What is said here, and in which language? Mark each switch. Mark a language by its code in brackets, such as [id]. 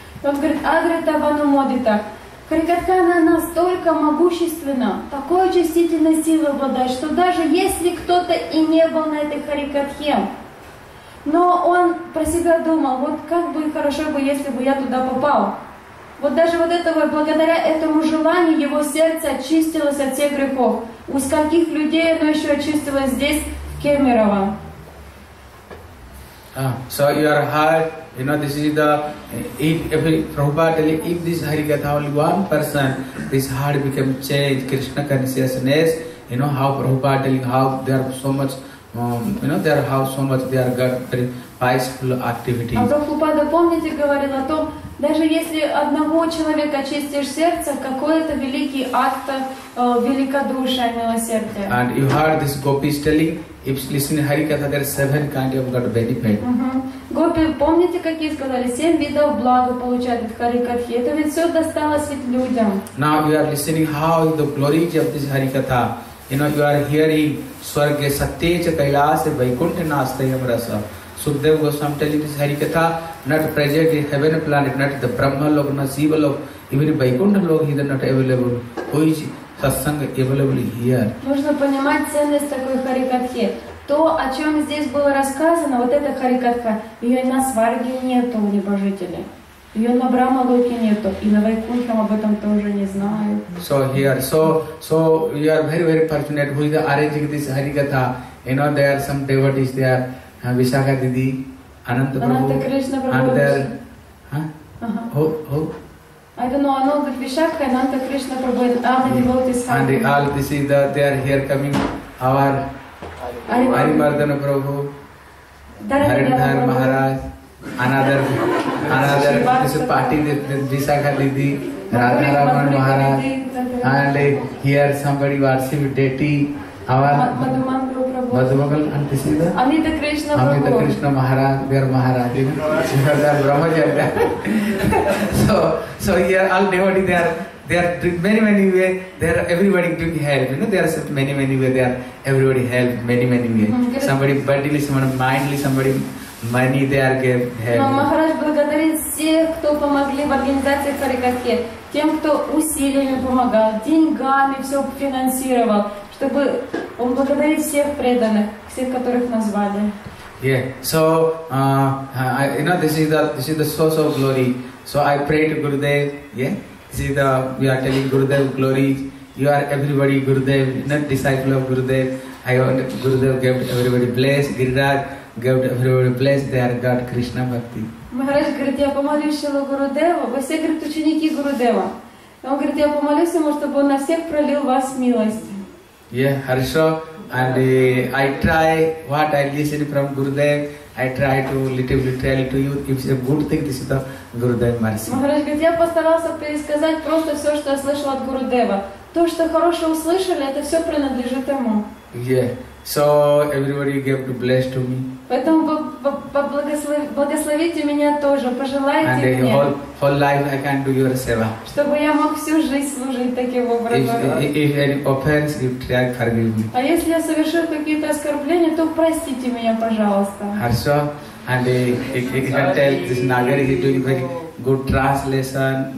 [ru] Он говорит, Адрита Ванумодита, харикатха, она настолько могущественна, такой очистительной силой обладает, что даже если кто-то и не был на этой харикатхе, но он про себя думал, вот как бы хорошо бы, если бы я туда попал. Вот даже вот этого, благодаря этому желанию, его сердце очистилось от всех грехов. У скольких людей оно еще очистилось здесь, в Кемерово. [en] So your heart, you know, this is the, if Prabhupada tell you, if this Harikatha only one person, this heart became changed, Krishna consciousness, you know, how Prabhupada tell you, how they are so much, you know, there how so much they are got very peaceful activity. [ru] А Прабхупада, помните, говорил о том, даже если одного человека очистишь сердце, какой это великий акт великодушия, милосердия. [en] And you heard this gopis telling, if you listen to Harikatha, there are seven kinds of God benefit. [ru] Гопи, помните, какие сказали, семь видов блага получают от Харикатхи. Это ведь все досталось ведь людям. [en] Now you are listening how the glories of this Harikatha. You know, you are hearing Swarga Satyecha Kailasa Vaikuntha Nastayam Rasa. Sukhdeva Goswami telling this Harikatha, not present in heaven planet, not the Brahma Loka, not Siva Loka, even Vaikuntha Loka, he is not available. Who is satsang available here? [ru] Нужно понимать ценность такой Харикатхи. То, о чем здесь было рассказано, вот эта Харикатха, ее на Сварге нету у небожителей. Ее на Брахма Локе нету. И на Вайкунтхам об этом тоже не знают. [en] So here, so you are very, very fortunate who is arranging this Harikatha. You know, there are some devotees there. Vishakha Didi, Ananta Prabhu, Krishna Prabhu, and there, I don't know, Ananta Vishakha, Ananta Krishna Prabhu, and all the devotees. And all this is that they are here coming, our Arimardana Prabhu, Haridhar Maharaj, another, this is party, Vishakha Didi, Radha Raman Maharaj, and here somebody worship deity, our Madhumangal and this is the Amita Krishna Prabhu. Amita Krishna Maharaj, we are Maharaj. We are Brahma Jaya. So here all devotees, they are many ways, they are everybody doing help. You know, there are many ways, they are everybody help, many ways. Somebody bodily, someone mindly, somebody money, they are gave help. [ru] Maharaj, благодарит всех, кто помогли в организации Харикатхи, тем, кто усилиями помогал, деньгами все финансировал, чтобы он благодарит всех преданных, всех, которых назвали. [en] Yeah, so, you know, this is the source of glory. So I pray to Gurudev, this is the, we are telling Gurudev glories. You are everybody Gurudev, not disciple of Gurudev. I want Gurudev gave everybody bless, Giriraj gave everybody bless, they are God, Krishna Bhakti. [ru] Maharaj говорит, я помолюсь Шилу Гурудеву, вы все, говорит, ученики Гурудева. Он говорит, я помолюсь ему, чтобы он на всех пролил вас милость. [en] Yeah, Harsha, and I try what I listen from Gurudev, I try to little tell to you, if it's a good thing, this is the Gurudev mercy. [ru] Maharaj говорит, я постарался пересказать просто все, что я слышал от Гурудева. То, что хорошее услышали, это все принадлежит ему. [en] Yeah, so everybody gave to bless to me. [ru] Поэтому благословите меня тоже, пожелайте [en] and, [ru] мне. [en] Whole life I can do your seva. [ru] Чтобы я мог всю жизнь служить таким образом. [en] If any offense, you try to forgive me. [ru] А если я совершил какие-то оскорбления, то простите меня, пожалуйста. Хорошо. [en] And he can tell this Nagari, he doing very good translation.